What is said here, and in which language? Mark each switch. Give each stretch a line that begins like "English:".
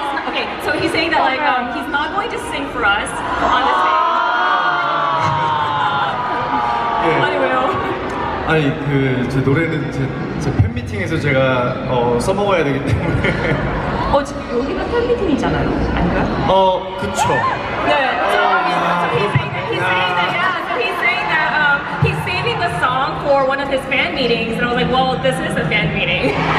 English: Okay, so he's saying that like he's not going to sing for us on the stage.
Korean: 예. 아니 왜요? 아니 그 제 노래는 제 팬미팅에서 제가 써먹어야 되기 때문에. 지금 여기가 팬미팅이잖아요, 아닌가? 그쵸. 네.
English: So he's saving the song for one of his fan meetings, and I was like, well, this is a fan meeting.